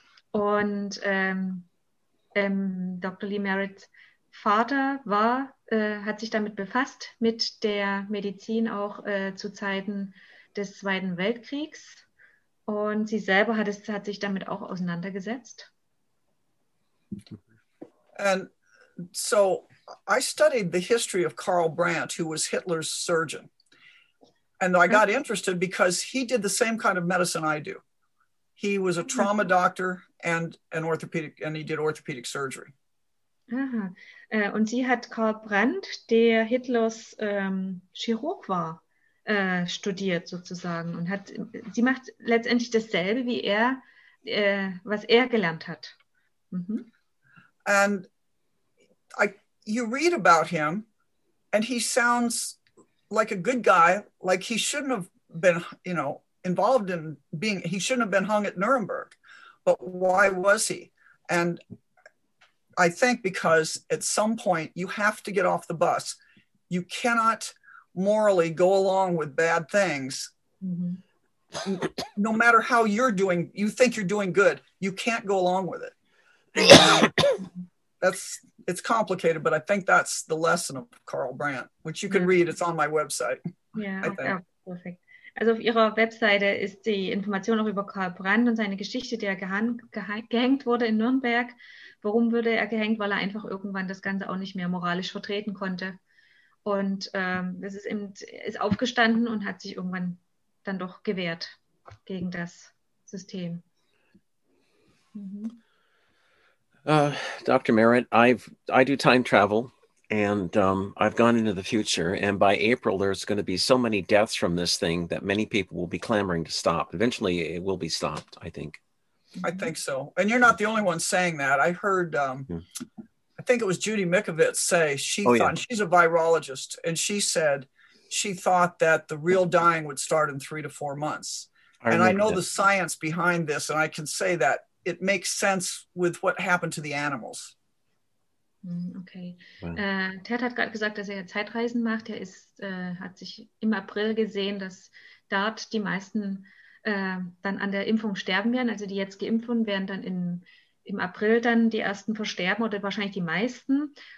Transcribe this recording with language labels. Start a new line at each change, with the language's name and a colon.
German: Und Dr. Lee Merritts Vater hat sich damit befasst, mit der Medizin auch zu Zeiten des Zweiten Weltkriegs. Und sie selber hat sich damit auch auseinandergesetzt.
English: And so I studied the history of Karl Brandt, who was Hitler's surgeon. And I got interested because he did the same kind of medicine I do. He was a trauma doctor and an orthopedic, and he did orthopedic surgery. Aha.
German: Und sie hat Karl Brandt, der Hitlers Chirurg war, studiert sozusagen. Und sie macht letztendlich dasselbe, wie er, was er gelernt hat. Mhm.
English: And you read about him and he sounds like a good guy, like he shouldn't have been, you know, involved in being, he shouldn't have been hung at Nuremberg, but why was he? And I think because at some point you have to get off the bus. You cannot morally go along with bad things. Mm-hmm. No matter how you're doing, you think you're doing good, you can't go along with it. It's complicated, but I think that's the lesson of Karl Brandt, which you can read. It's on my website. Yeah, okay, perfect.
German: Also auf ihrer Webseite ist die Information auch über Karl Brandt und seine Geschichte, der gehängt wurde in Nürnberg. Warum wurde er gehängt? Weil er einfach irgendwann das Ganze auch nicht mehr moralisch vertreten konnte. Und das ist aufgestanden und hat sich irgendwann dann doch gewehrt gegen das System. Mhm.
English: Dr. Merritt, I do time travel, and I've gone into the future, and by April, there's going to be so many deaths from this thing that many people will be clamoring to stop. Eventually, it will be stopped, I think. I think so. And you're not the only one saying that. I heard, I think it was Judy Mikovits say, she's a virologist, and she said she thought that the real dying would start in 3 to 4 months. I know the science behind this, and I can say that it makes sense with what happened to the animals. Okay.
German: Ted hat gerade gesagt, dass er Zeitreisen macht. Er ist, hat sich im April gesehen, dass dort die meisten dann an der Impfung sterben werden. Also die jetzt geimpft wurden, werden dann im April dann die ersten versterben oder wahrscheinlich die meisten.